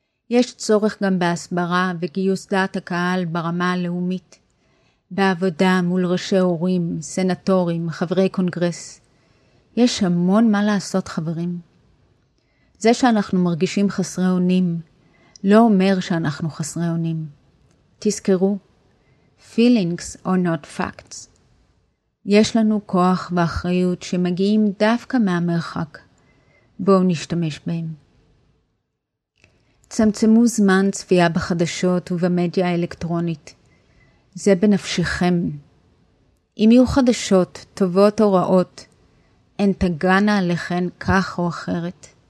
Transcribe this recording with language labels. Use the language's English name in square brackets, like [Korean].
[Hebrew] יש צורך גם בהסברה וגיוס דעת הקהל ברמה הלאומית, בעבודה מול ראשי הורים, סנטורים, חברי קונגרס. יש המון מה לעשות, חברים. זה שאנחנו מרגישים חסרי אונים, לא אומר שאנחנו חסרי אונים. תזכרו, [English] feelings are not facts. [Hebrew] יש לנו כוח ואחריות שמגיעים דווקא מהמרחק. בואו נשתמש בהם. צמצמו זמן צפייה בחדשות ובמדיה האלקטרונית. זה בנפשכם. אם יהיו חדשות, טובות או רעות, הן תגענה עליכן כך או אחרת.